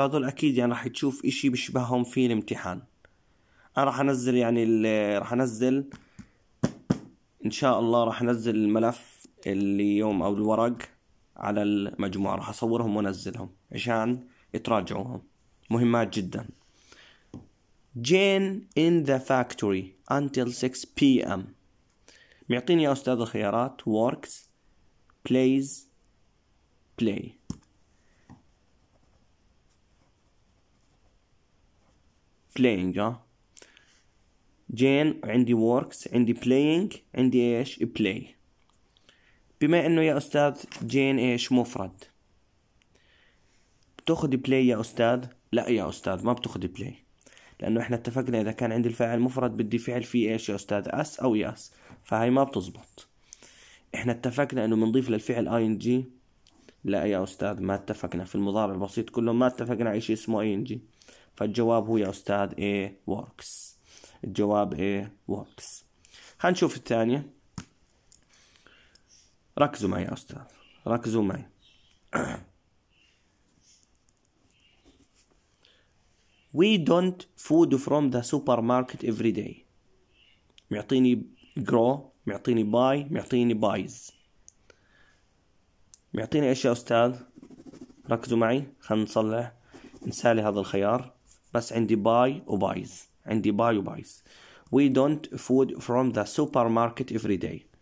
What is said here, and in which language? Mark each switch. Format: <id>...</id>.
<ar>هذول أكيد يعني راح تشوف إشي بيشبههم في الامتحان. أنا راح أنزل يعني اللي راح أنزل إن شاء الله، راح أنزل الملف اليوم أو الورق على المجموعة، راح أصورهم وأنزلهم عشان تراجعوهم، مهمات جدا.</ar> <en>Jane in the factory until 6 p.m.</en> <ar>معطيني يا أستاذ الخيارات:</ar> <en>works, plays, play. playing.</en> <ar>جين عندي works، عندي playing، عندي ايش؟ play. بما انه يا أستاذ جين ايش؟ مفرد. بتاخذ play يا أستاذ؟ لا يا أستاذ ما بتاخذ play، لانه احنا اتفقنا اذا كان عندي الفاعل مفرد بدي فعل فيه ايش يا استاذ؟ اس او ياس، فهي ما بتزبط. احنا اتفقنا انه منضيف للفعل اي ان جي. لا يا استاذ ما اتفقنا، في المضارع البسيط كله ما اتفقنا على شيء اسمه اي ان جي. فالجواب هو يا استاذ اي وركس. الجواب اي وركس. هنشوف الثانية، ركزوا معي يا استاذ، ركزوا معي.</ar> <en>We don't food from the supermarket every day.</en> <ar>معطيني grow، معطيني buy، معطيني buys. معطيني ايش يا استاذ؟ ركزوا معي، خلنا نصلح نسالي هذا الخيار. بس عندي buy و buys، عندي buy و buys.</ar> <en>We don't food from the supermarket every day.</en>